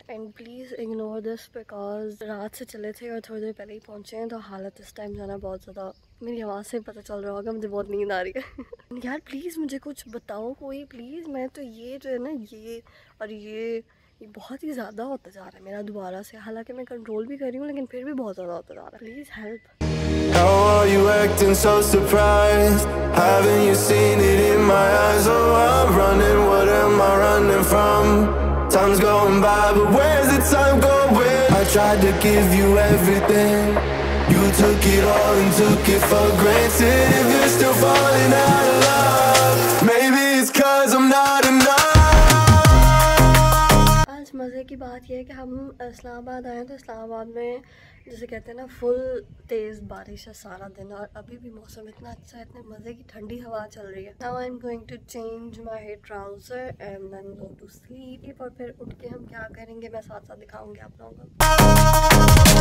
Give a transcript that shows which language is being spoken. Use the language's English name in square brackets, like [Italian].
[English] and please ignore this, because [Hindi] रात से चले थे और थोड़ी देर पहले ही पहुँचे हैं, तो हालत इस टाइम जाना बहुत ज़्यादा, मेरी आवाज़ से पता चल रहा होगा, मुझे बहुत नींद आ रही है. यार प्लीज़ मुझे कुछ बताओ कोई, प्लीज़. मैं तो ये जो है ना, ये और ये बहुत ही ज़्यादा होता जा रहा है मेरा दोबारा से, हालांकि मैं कंट्रोल भी कर रही हूँ, लेकिन फिर भी बहुत ज़्यादा होता जा रहा है. [English] Please help. How are you acting so surprised? Haven't you seen it in my eyes? Oh, I'm running, what am I running from? Time's going by, but where's the time going? I tried to give you everything. You took it all and took it for granted. If you're still falling out of love, maybe it's 'cause I'm not enough. [Hindi] मज़े की बात यह है कि हम इस्लामाबाद आए, तो इस्लामाबाद में जैसे कहते हैं ना, फुल तेज़ बारिश है सारा दिन, और अभी भी मौसम इतना अच्छा है, इतने मज़े की ठंडी हवा चल रही है. [English] now I am going to change my trouser and then go to sleep, [Hindi] और फिर उठ के हम क्या करेंगे मैं साथ साथ दिखाऊंगी आप लोगों को.